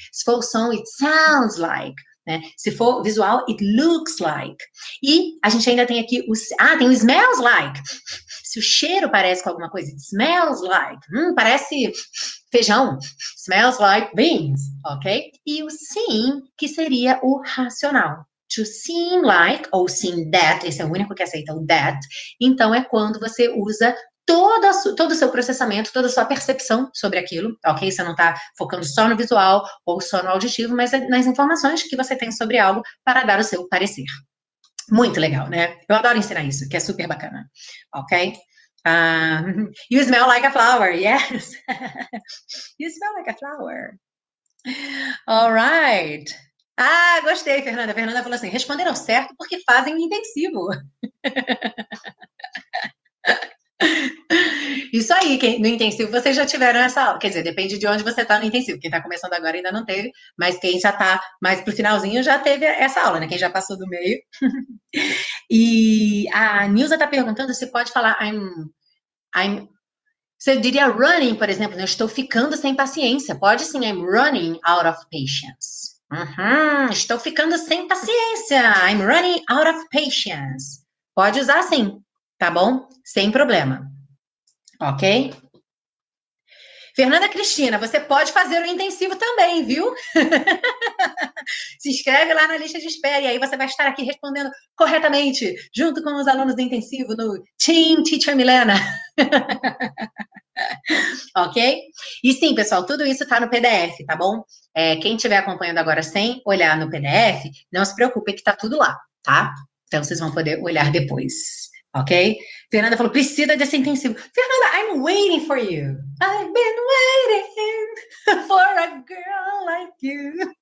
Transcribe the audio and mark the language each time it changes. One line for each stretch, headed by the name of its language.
Portuguese: Se for o som,
English: it sounds like.
Portuguese: Né? Se for visual,
English: it looks like.
Portuguese: E a gente ainda tem aqui o. Ah, tem o smells like. Se o cheiro parece com alguma coisa,
English: it smells like.
Portuguese: Parece feijão.
English: Smells like beans, ok?
Portuguese: E o seem, que seria o racional. To seem like, ou seem that, esse é o único que aceita o that. Então é quando você usa. Todo o seu processamento, toda a sua percepção sobre aquilo, ok? Você não está focando só no visual ou só no auditivo, mas nas informações que você tem sobre algo para dar o seu parecer. Muito legal, né? Eu adoro ensinar isso, que é super bacana, ok?
English: You smell like a flower, yes. You smell like a flower. All right.
Portuguese: Ah, gostei, Fernanda. Fernanda falou assim: responderam certo porque fazem intensivo. Isso aí, no intensivo vocês já tiveram essa aula. Quer dizer, depende de onde você está no intensivo. Quem está começando agora ainda não teve, mas quem já está mais para o finalzinho já teve essa aula, né? Quem já passou do meio. E a Nilza está perguntando se pode falar Você diria running, por exemplo, né? Eu estou ficando sem paciência. Pode sim,
English: I'm running out of patience.
Portuguese: Estou ficando sem paciência.
English: I'm running out of patience.
Portuguese: Pode usar sim, tá bom? Sem problema. Ok? Fernanda Cristina, você pode fazer o intensivo também, viu? Se inscreve lá na lista de espera e aí você vai estar aqui respondendo corretamente, junto com os alunos do intensivo no Team Teacher Milena. Ok? E sim, pessoal, tudo isso está no PDF, tá bom? Quem estiver acompanhando agora sem olhar no PDF, não se preocupe que está tudo lá, tá? Então vocês vão poder olhar depois. Ok? Fernanda falou, precisa desse intensivo.
English: Fernanda, I'm waiting for you. I've been waiting for a girl like you.